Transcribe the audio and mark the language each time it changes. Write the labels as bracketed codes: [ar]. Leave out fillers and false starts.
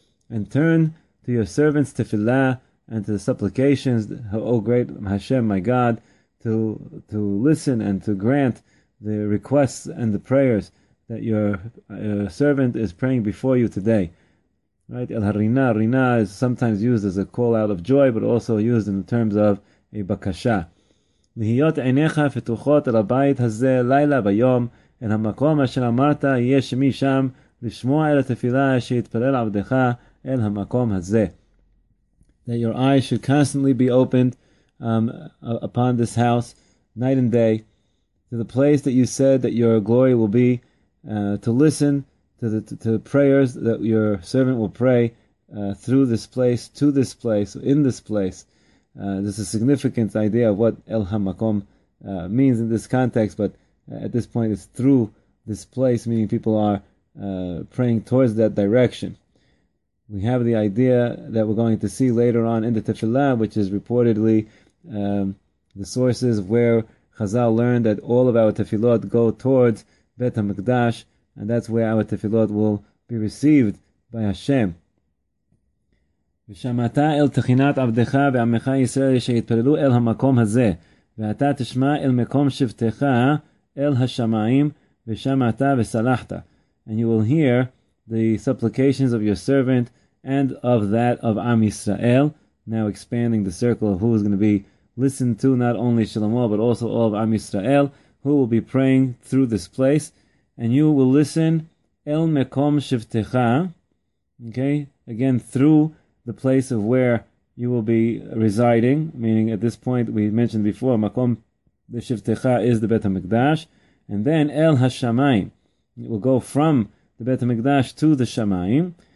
[en] And turn to your servant's tefila and to the supplications, O great Hashem, my God, to listen and to grant the requests and the prayers that your servant is praying before you today. Right, El Harina. Rina is sometimes used as a call out of joy, but also used in terms of a bakasha. [he] Lihiyot einecha fetuchot el abayit hazeh laila v'yom, אל המקום אשר אמרת יהיה שמי שם לשמוע אל התפילה שיתפלל עבדך אל המקום הזה. [en] That your eyes should constantly be opened upon this house, night and day, to the place that you said that your glory will be, to listen to the prayers that your servant will pray through this place, to this place, in this place. This is a significant idea of what El HaMakom means in this context, but at this point it's through this place, meaning people are praying towards that direction. We have the idea that we're going to see later on in the Tefillah, which is reportedly the sources where Chazal learned that all of our Tefillot go towards Bet HaMikdash, and that's where our Tefillot will be received by Hashem. [he] ושמעת אל תחינת עבדך ועמך ישראל שיתפללו אל המקום הזה, ואתה תשמע אל מקום שבתך אל השמיים ושמעת וסלחת. [en] And you will hear the supplications of your servant and of that of Am Yisrael, now expanding the circle of who is going to be listened to, not only Shlomo, but also all of Am Yisrael, who will be praying through this place. And you will listen El Mekom Shivtecha, okay, again, through the place of where you will be residing, meaning at this point, we mentioned before, Makom Shivtecha is the Bet HaMikdash, and then El HaShamayim, it will go from the Bet HaMikdash to the Shamayim.